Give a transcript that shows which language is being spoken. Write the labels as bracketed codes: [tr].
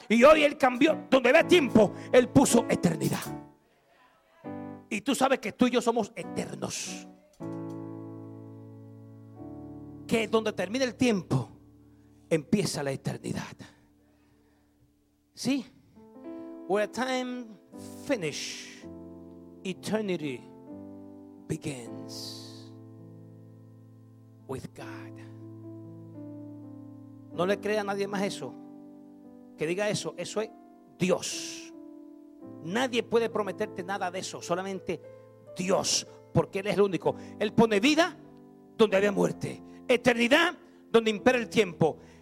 [es] Y hoy Él cambió: donde había tiempo, Él puso eternidad. Y tú sabes que tú y yo somos eternos. Que donde termina el tiempo, empieza la eternidad. ¿Sí? [en] Where time finish, eternity begins with God. [es] No le crea a nadie más eso. Que diga eso, eso es Dios. Nadie puede prometerte nada de eso, solamente Dios, porque Él es el único. Él pone vida donde había muerte, eternidad donde impera el tiempo.